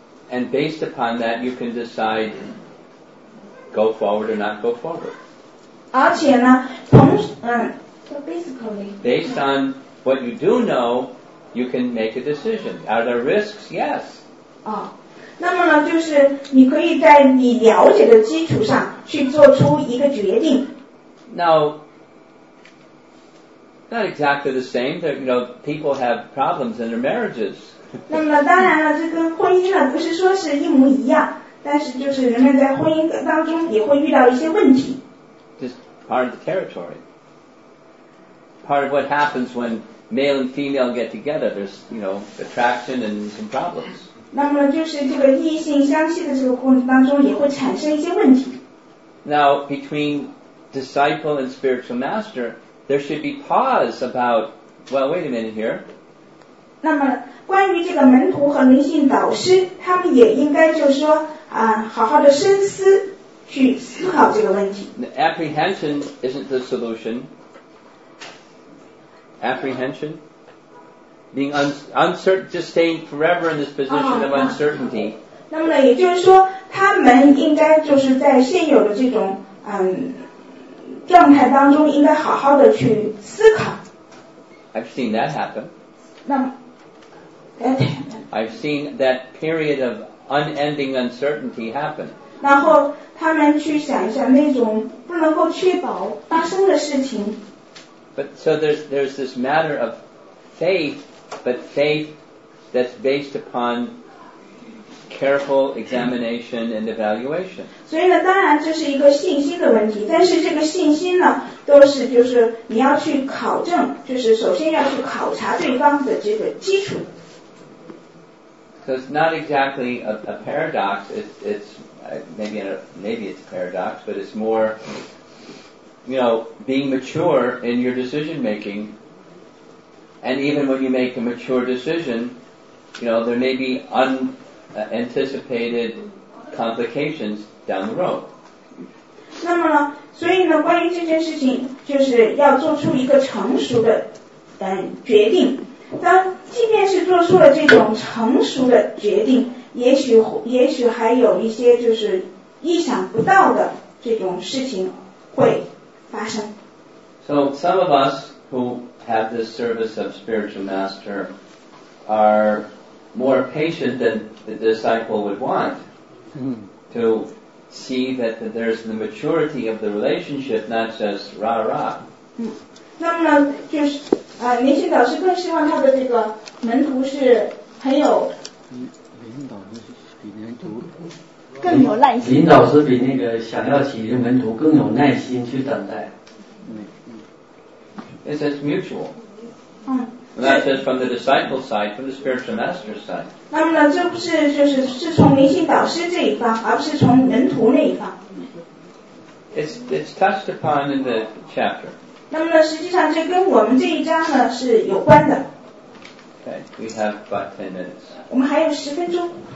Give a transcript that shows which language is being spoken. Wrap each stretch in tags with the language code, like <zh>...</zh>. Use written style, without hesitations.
<en>And based upon that, you can decide go forward or not go forward.</en> <zh>而且呢，同basically.</zh> <en>Based on what you do know, you can make a decision. Are there risks? Yes.</en> <zh>哦，那么呢，就是你可以在你了解的基础上去做出一个决定。</zh> <en>Now, not exactly the same. You know, people have problems in their marriages.</en> <zh>那么当然了，这跟婚姻呢不是说是一模一样，但是就是人们在婚姻当中也会遇到一些问题。</zh> <en>Just part of the territory. Part of what happens when male and female get together, there's, you know, attraction and some problems.</en> <zh>那么就是这个异性相吸的这个过程当中也会产生一些问题。</zh> <en>Now, between disciple and spiritual master, there should be pause about, well, wait a minute here.</en> <zh>那么关于这个门徒和灵性导师他们也应该就是说啊、好好的深思去思考这个问题。</zh> <en>Apprehension isn't the solution. Apprehension being uncertain, just staying forever in this position of uncertainty.</en> <zh>那么呢也就是说他们应该就是在现有的这种状态当中应该好好的去思考。</zh> <en>I've seen that happen.</en> <zh>那么</zh> <en>I've seen that period of unending uncertainty happen.</en> <zh>然后他们去想一下那种不能够确保发生的事情。</zh> <en>But so there's this matter of faith, but faith that's based upon careful examination and evaluation.</en> <zh>所以呢，当然这是一个信心的问题，但是这个信心呢，都是就是你要去考证，就是首先要去考察对方的这个基础。</zh> <en>So it's not exactly a paradox, it's a paradox, but it's more, you know, being mature in your decision making, and even when you make a mature decision, you know, there may be unanticipated complications down the road.</en> <zh>那么呢，所以呢，关于这件事情，就是要做出一个成熟的决定。当即便是做出了这种成熟的决定，也许还有一些就是意想不到的这种事情会发生。</zh> <en>So some of us who have this service of spiritual master are more patient than the disciple would want to see that there's the maturity of the relationship, not just rah rah.</en> <zh>那么呢，就是。灵性导师更希望他的这个门徒是很有灵性导师比门徒更有耐心，灵导师比那个想要起的门徒更有耐心去等待。</zh> <en>It's just mutual、嗯、 not just from the disciple side, from the spiritual master side.</en> <zh>那么呢这不是就是是从灵性导师这一方而不是从门徒那一方。</zh> <en>It's touched upon in the chapter.</en> <zh>那么呢，实际上这跟我们这一章呢是有关的。</zh> <en>Okay, we have about 10 minutes.</en> <zh>我们还有十分钟。</zh>